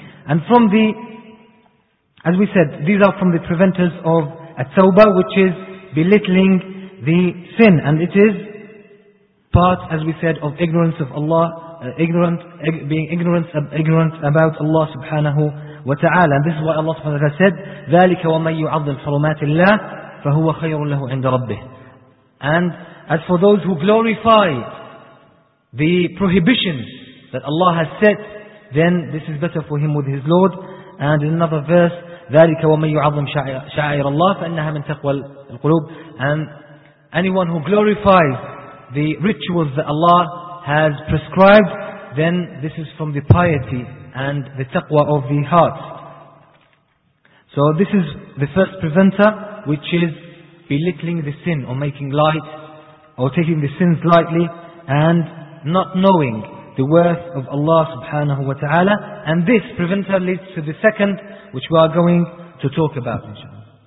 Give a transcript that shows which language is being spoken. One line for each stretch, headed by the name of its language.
English: And from the, as we said, these are from the preventers of at-tawbah, which is belittling the sin, and it is part, as we said, of ignorance of Allah, being ignorant about Allah subhanahu wa ta'ala. And this is why Allah subhanahu wa ta'ala said,
Arabic: ذَلِكَ وَمَنْ يُعَظِّمْ حُرُمَاتِ اللَّهِ فَهُوَ خَيْرٌ لَهُ عِنْدَ رَبِّهِ.
English: And as for those who glorify the prohibitions that Allah has set, then this is better for him with his Lord. And in another verse,
Arabic: ذَلِكَ وَمَنْ يُعَظِّمْ شَعَائِرَ اللَّهِ فَإِنَّهَا مِنْ تَقْوَى الْقُلُوبِ.
English: And anyone who glorifies the rituals that Allah has prescribed, then this is from the piety and the taqwa of the heart. So this is the first preventer, which is belittling the sin, or making light, or taking the sins lightly, and not knowing the worth of Allah subhanahu wa ta'ala. And this preventer leads to the second, which we are going to talk about, inshallah.